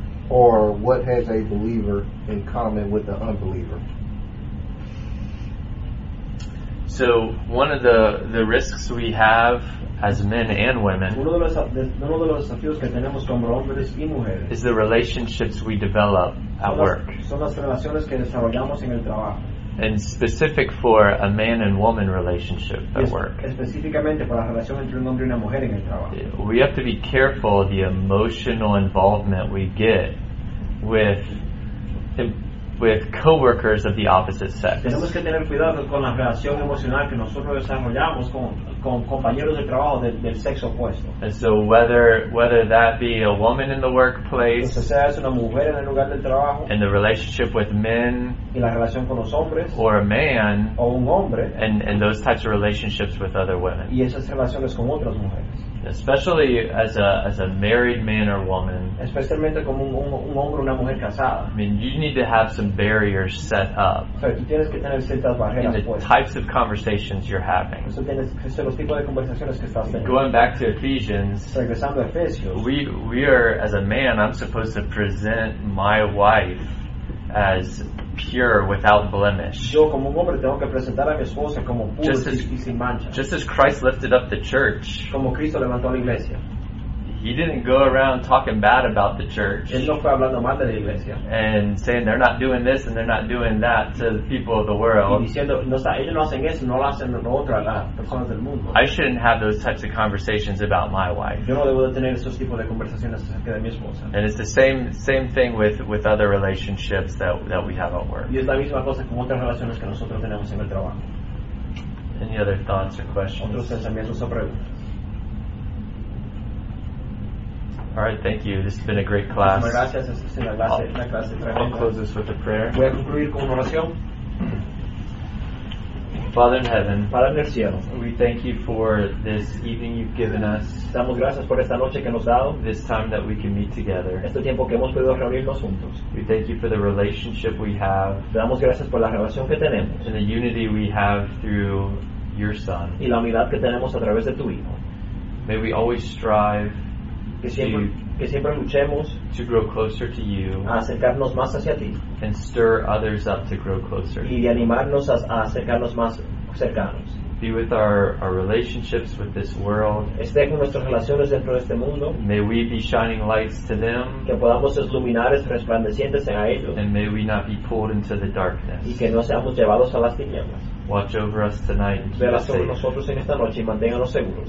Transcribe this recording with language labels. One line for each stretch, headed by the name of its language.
English: Or what has a believer in common with the unbeliever? So one of the risks we have as men and women is the relationships we develop at work.
Spanish: Son las relaciones que desarrollamos en el trabajo.
English: And specific for a man and woman relationship at work.
Spanish: Específicamente para la relación entre un hombre y una mujer en el trabajo.
English: We have to be careful the emotional involvement we get with coworkers of the opposite sex.
Spanish: Tenemos que tener cuidado con la relación emocional que nosotros desarrollamos con compañeros de trabajo del sexo opuesto.
English: And so whether that be a woman in the workplace,
Spanish: entonces, sea una mujer en el lugar del trabajo,
English: and the relationship with men,
Spanish: y la relación con los hombres,
English: or a man,
Spanish: o un hombre,
English: and those types of relationships with other women,
Spanish: y esas relaciones con otras mujeres.
English: Especially as a married man or woman.
Spanish: Especialmente como un hombre o una mujer casada.
English: I mean, you need to have some barriers set up.
Spanish: Pero tú tienes que tener ciertas barreras.
English: In the types of conversations you're having.
Spanish: Eso tienes que ser los tipos de conversaciones que estás teniendo.
English: Going back to Ephesians.
Spanish: Regresando a Efesios.
English: We are, as a man, I'm supposed to present my wife as pure without blemish.
Spanish: Yo como un hombre tengo que presentar a mi esposa como puro y sin mancha.
English: Just as Christ lifted up the church.
Spanish: Como Cristo levantó la iglesia.
English: He didn't go around talking bad about the church.
Spanish: Él no fue hablando mal de la iglesia.
English: And saying they're not doing this and they're not doing that to the people of the world.
Spanish: Y diciendo, no, ellos no hacen eso, no lo hacen lo otro a las personas del mundo.
English: I shouldn't have those types of conversations about my wife.
Spanish: Yo no debo de tener esos tipos de conversaciones acerca de mi esposa.
English: And it's the same thing with other relationships that we have at work.
Spanish: Y es la misma cosa con otras relaciones que nosotros tenemos en el trabajo.
English: Any other thoughts or questions?
Spanish: Otros pensamientos o preguntas.
English: All right, thank you. This has been a great class.
Spanish: Gracias, esta es una clase tremenda.
English: I'll close this with a prayer.
Spanish: Voy a concluir con una oración.
English: Father in heaven,
Spanish: Padre en el cielo,
English: we thank you for this evening you've given us.
Spanish: Damos gracias por esta noche que nos ha dado.
English: This time that we can meet together.
Spanish: Este tiempo que hemos podido reunirnos juntos.
English: We thank you for the relationship we have.
Spanish: Damos gracias por la relación que tenemos.
English: And the unity we have through your Son.
Spanish: Y la unidad que tenemos a través de tu Hijo.
English: May we always strive.
Spanish: Que siempre luchemos
English: to grow closer to you,
Spanish: a acercarnos más hacia ti,
English: and stir others up to grow closer,
Spanish: y de animarnos a acercarnos más cercanos.
English: Be with our relationships with this world.
Spanish: Esté con nuestras relaciones dentro de este mundo.
English: May we be shining lights to them.
Spanish: Que podamos iluminar resplandecientes a ellos.
English: And may we not be pulled into the darkness.
Spanish: Y que no seamos llevados a las tinieblas.
English: Watch over us tonight.
Spanish: Vela sobre nosotros en esta noche y manténganos seguros.